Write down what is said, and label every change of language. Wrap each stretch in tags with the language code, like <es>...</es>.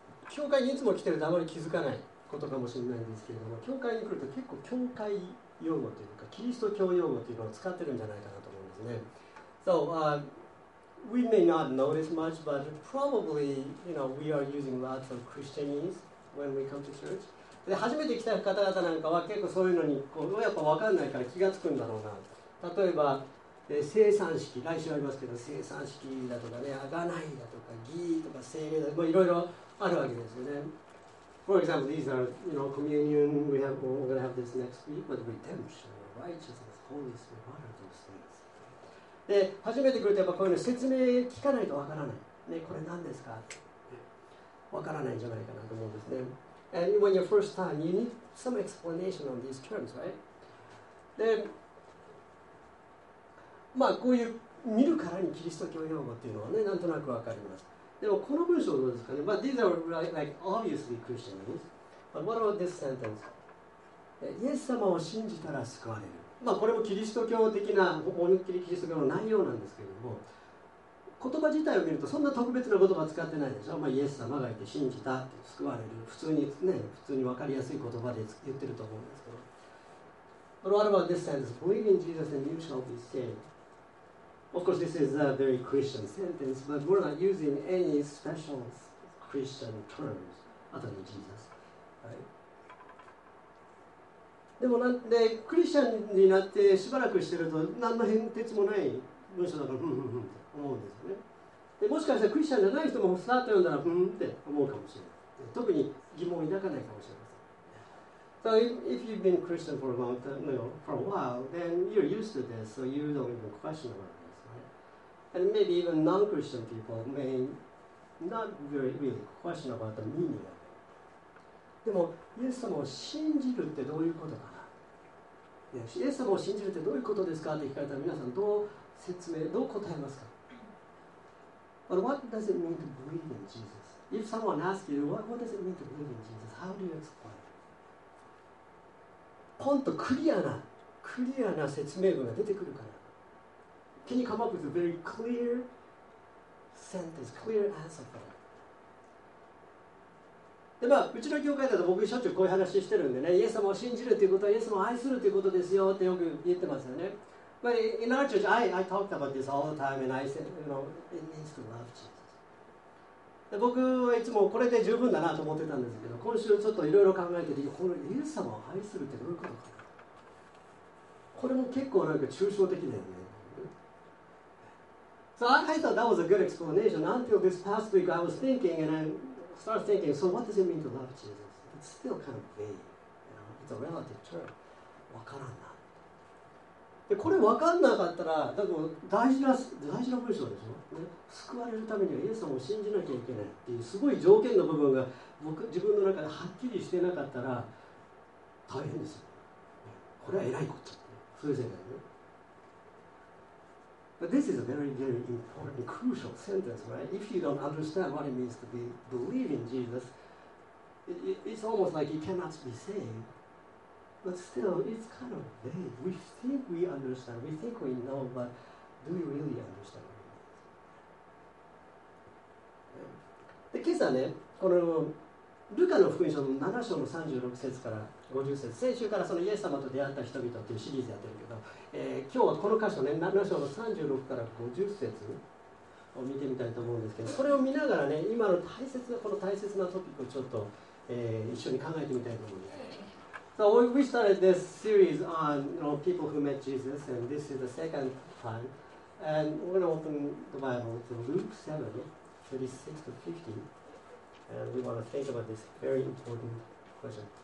<ja>教会にいつも来てる名乗り気づかないことかもしれないんですけれども、教会に来ると結構教会用語というかキリスト教用語というのを使ってるんじゃないかなと思うんですね。</ja> <en>So、we may not notice much, but probably, you know, we are using lots of Christianese when we come to church.</en> <ja>で、初めて来た方々なんかは結構そういうのにこうやっぱ分かんないから気がつくんだろうな。例えば、生産式、来週ありますけど、生産式だとかね、あがないだとか、義とか聖霊だとか、いろいろあるわけですよね。</ja> <en>For example, these are, you know, communion, we have, we're going to have this next week, but redemption, righteousness, holy spirit, what are those things?</en> <ja>で、初めて来るとやっぱこういうの説明聞かないとわからない。ね、これ何ですか？わからないんじゃないかなと思うんですね。</ja> <en>And when you're first time, you need some explanation on these terms, right?</en> <ja>で、まあこういう見るからにキリスト教用語っていうのはね、なんとなくわかります。でもこの文章どうですかね。</ja> <en>But these are like obviously Christians. But what about this sentence?</en> <ja>イエス様を信じたら救われる。まあこれもキリスト教的な、思いっきりキリスト教の内容なんですけれども、言葉自体を見るとそんな特別な言葉使ってないでしょ。まあイエス様がいて信じたって救われる。普通にね、普通にわかりやすい言葉で言ってると思うんですけど。</ja> <en>But what about this sentence? Believe in Jesus and you shall be saved. Of course, this is a very Christian sentence, but we're not using any special Christian terms other than Jesus.</en> <ja>でもなんで、クリスチャンになってしばらくしてると何の変哲もない文章だから、ふんふんふんって思うんですよね。でもしかしたらクリスチャンじゃない人もさーっと読んだら、ふんって思うかもしれない。特に疑問を抱かないかもしれない。</ja> <en>So if you've been Christian for a long time, you know, for a while, then you're used to this, so you don't even question about this, right? And maybe even non-Christian people may not very really question about the meaning of it.</en> <ja>でも、イエス様を信じるってどういうことかな？イエス様を信じるってどういうことですかって聞かれたら、皆さんどう説明、どう答えますか？</ja> <en>But what does it mean to believe in Jesus? If someone asks you, what does it mean to believe in Jesus? How do you explain it?</en> <ja>ポンとクリアな説明文が出てくるから。</ja> <en>Can you come up with a very clear sentence, clear answer for it?</en> <ja>で、まあ、うちの教会だと僕しょっちゅうこういう話してるんでね、イエス様を信じるということはイエス様を愛するということですよってよく言ってますよね。</ja> <en>But in our church, I talked about this all the time, and I said, you know, it means to love Jesus.</en> <ja>で、僕はいつもこれで十分だなと思ってたんですけど、今週ちょっといろいろ考えてて、このイエス様を愛するってどういうことかな。これも結構なんか抽象的だよね。</ja> <en>So I thought that was a good explanation until this past week I was thinking and I started thinking, so what does it mean to love Jesus? It's still kind of vague. You know? It's a relative term.</en> <ja>わからんな。で、これわかんなかったら、だから大事な文章でしょ、ね、救われるためにはイエス様を信じなきゃいけないっていう、すごい条件の部分が僕自分の中ではっきりしてなかったら大変ですよ。これは偉いこと。そういう世界ね。</ja> <en>But this is a very, very important, crucial sentence, right? If you don't understand what it means to be, believe in Jesus, it's almost like you cannot be saved. But still, it's kind of vague. We think we understand. We think we know, but do we really understand?</en> <ja>で、今朝ね、このルカの福音書の7章の36節から50節、先週からそのイエス様と出会った人々っていうシリーズやってるけど、今日はこの箇所ね、7章の36から50節を見てみたいと思うんですけど、それを見ながらね、今の大切な、この大切なトピックをちょっと、一緒に考えてみたいと思います。</ja> <en>So we started this series on, you know, people who met Jesus, and this is the second time. And we're going to open the Bible to Luke 7, 36 to 50. And we want to think about this very important question.</en>